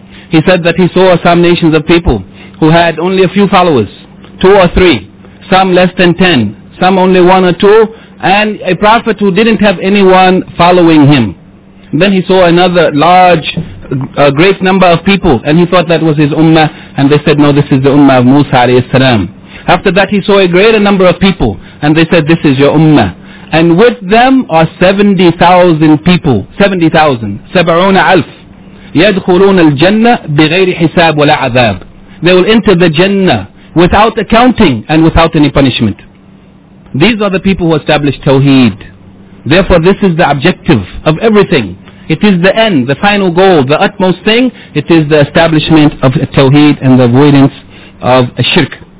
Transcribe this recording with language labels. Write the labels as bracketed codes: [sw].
[en] He said that he saw some nations of people who had only a few followers, two or three, some less than 10, some only one or two, and a prophet who didn't have anyone following him. Then he saw another large, a great number of people, and he thought that was his ummah, and they said, no, this is the ummah of Musa alayhi salam. After that he saw a greater number of people, and they said, this is your ummah. And with them are 70,000 people, 70,000, 70,000, [ar] يدخلون الجنة بغير حساب ولا عذاب. [en] They will enter the Jannah without accounting and without any punishment. These are the people who established Tawheed. Therefore this is the objective of everything. It is the end, the final goal, the utmost thing. It is the establishment of Tawheed and the avoidance of a shirk.